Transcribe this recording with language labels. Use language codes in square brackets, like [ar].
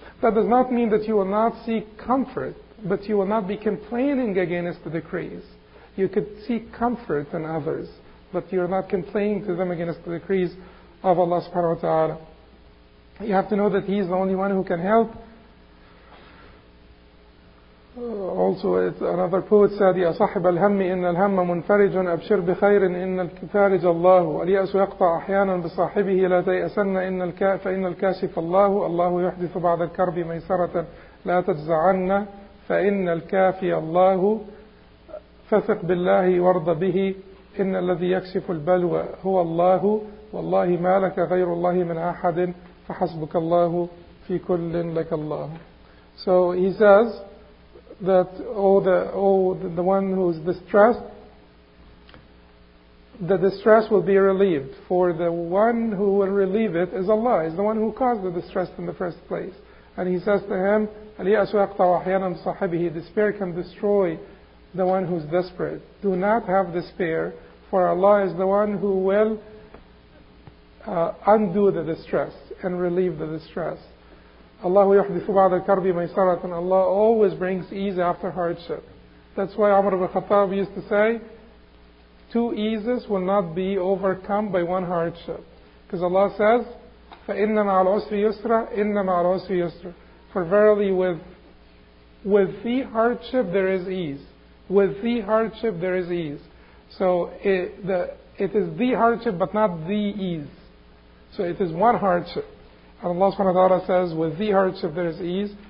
[en] That does not mean that you will not seek comfort, but you will not be complaining against the decrees. You could seek comfort in others, but you're not complaining to them against the decrees of Allah subhanahu wa ta'ala. You have to know that He's the only one who can help. Also, another poet said, [ar] يَا صَحِبَ الْهَمِّ إِنَّ الْهَمَّ مُنْفَرِجٌ أَبْشِرْ بِخَيْرٍ إِنَّ الْفَارِجَ اللَّهُ وَالْيَأْسُ يَقْطَعْ أَحْيَانًا بِصَاحِبِهِ لَا تَيْأَسَنَّ فَإِنَّ الْكَاشِفَ اللَّهُ اللَّهُ يُحْدِثُ بَعْدَ الْكَرْبِ مَيْسَرَةً لَا تَجْزَعَنَّ فَإِنَّ الْكَافِيَ اللَّهُ فَثِقْ بِاللَّهِ وَارْضَ بِهِ إِنَّ الَّذِي يَكْشِفُ الْبَلْوَى هُوَ اللَّهُ والله ما لك غير الله من أحد فحسبك الله في كل لك الله. [en] So he says that the one who is distressed, the distress will be relieved, for the one who will relieve it is Allah, is the one who caused the distress in the first place. And he says to him, [ar] الْيَأْسُ يَقْطَعُ أَحْيَانًا صَحِبِهِ, [en] despair can destroy the one who is desperate. Do not have despair, for Allah is the one who will undo the distress and relieve the distress. [ar] اللَّهُ يُحْدِثُ بَعْدَ الْكَرْبِ مَيْسَرَةً, [en] Allah always brings ease after hardship. That's why Umar ibn Khattab used to say, two eases will not be overcome by one hardship. Because Allah says, [ar] فَإِنَّ مَعَ الْعُسْرِ يُسْرًا, إِنَّ مَعَ الْعُسْرِ يُسْرًا. [en] For verily with the hardship there is ease. With the hardship there is ease. So it is the hardship but not the ease. So it is one hardship. And Allah subhanahu wa ta'ala says, with the hardship there is ease.